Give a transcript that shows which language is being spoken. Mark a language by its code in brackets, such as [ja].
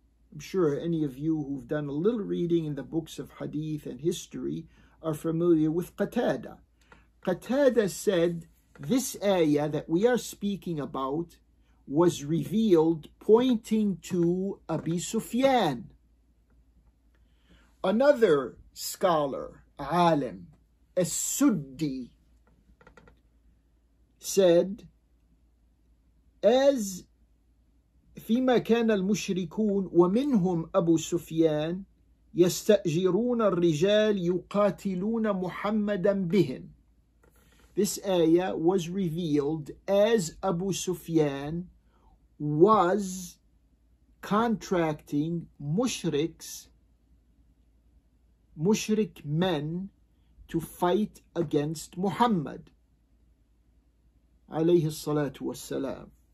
[en] I'm sure any of you who've done a little reading in the books of hadith and history are familiar with Qatada. Qatada said this ayah that we are speaking about was revealed pointing to Abi Sufyan. Another scholar, alim, As-Suddi, said, as [ar] فيما كان المشركون ومنهم أبو سفيان يستأجرون الرجال يقاتلون محمدا بهم. [en] This ayah was revealed as Abu Sufyan was contracting mushrik men to fight against Muhammad [ar] عليه الصلاة والسلام.